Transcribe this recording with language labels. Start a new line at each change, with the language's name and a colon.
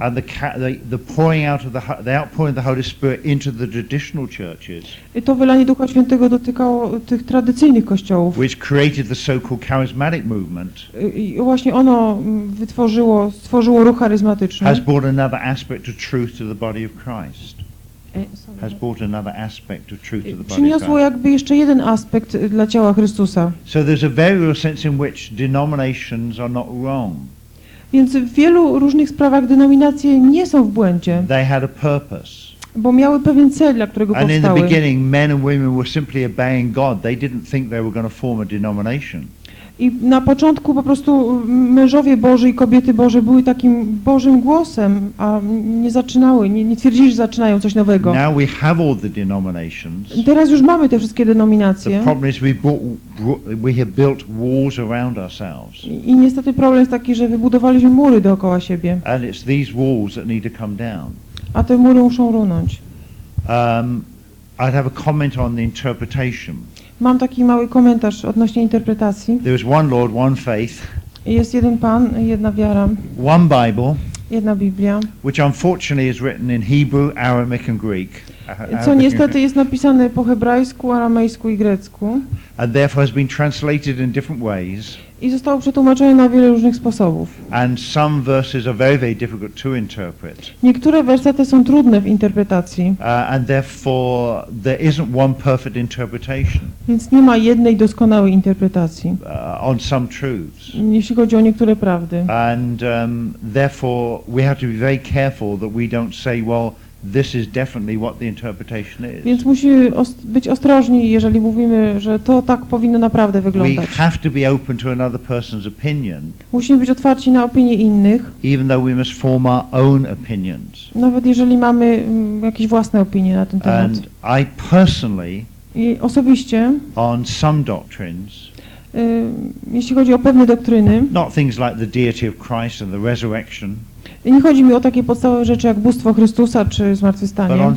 English: And the pouring out of the outpouring of the Holy Spirit into the traditional churches.
Polish: I to wylanie Ducha Świętego dotykało tych tradycyjnych kościołów.
English: Which created the so-called charismatic movement.
Polish: I właśnie ono stworzyło ruch charyzmatyczny.
English: Has brought another aspect of truth to the body of Christ. Has brought another aspect of truth to the body of Christ.
Polish: Przyniosło jakby jeszcze jeden aspekt dla ciała Chrystusa.
English: So there's a very real sense in which denominations are not wrong.
Polish: Więc w wielu różnych sprawach denominacje nie są w błędzie.
English: They had a purpose.
Polish: Bo miały pewien cel, dla którego
English: and
Polish: powstały.
English: In the beginning, men and women were simply obeying God. They didn't think they were going to form a denomination.
Polish: I na początku po prostu mężowie Boży i kobiety Boże były takim Bożym głosem, a nie zaczynały, nie twierdzili, że zaczynają coś nowego.
English: Now we have all the denominations.
Polish: Teraz już mamy te wszystkie denominacje.
English: The problem is we have built walls around ourselves.
Polish: I niestety problem jest taki, że wybudowaliśmy mury dookoła siebie.
English: And it's these walls that need to come down.
Polish: A te mury muszą runąć.
English: I'd have a comment on the interpretation.
Polish: Mam taki mały komentarz odnośnie interpretacji.
English: There is one Lord, one faith.
Polish: Jest jeden Pan, jedna wiara.
English: One Bible.
Polish: Jedna Biblia.
English: Which unfortunately is written in Hebrew, Aramaic and Greek.
Polish: co niestety jest napisane po hebrajsku, aramejsku i grecku.
English: And therefore has been translated in different ways.
Polish: I zostało przetłumaczone na wiele różnych sposobów.
English: And some verses are very, very difficult to interpret.
Polish: Niektóre wersety są trudne w interpretacji.
English: And therefore there isn't one perfect interpretation.
Polish: Więc nie ma jednej doskonałej interpretacji.
English: On some truths.
Polish: Jeśli chodzi o niektóre prawdy.
English: And therefore we have to be very careful that we don't say, well, this is definitely what the interpretation is.
Polish: Więc musimy być ostrożni, jeżeli mówimy, że to tak powinno naprawdę wyglądać.
English: We have to be open to another person's opinion.
Polish: Musimy być otwarci na opinie innych.
English: Even though we must form our own opinions.
Polish: Nawet jeżeli mamy jakieś własne opinie na ten temat.
English: And I personally,
Polish: i osobiście,
English: on some doctrines,
Polish: jeśli chodzi o pewne doktryny,
English: not things like the deity of Christ and the resurrection.
Polish: I nie chodzi mi o takie podstawowe rzeczy jak bóstwo Chrystusa czy zmartwychwstanie.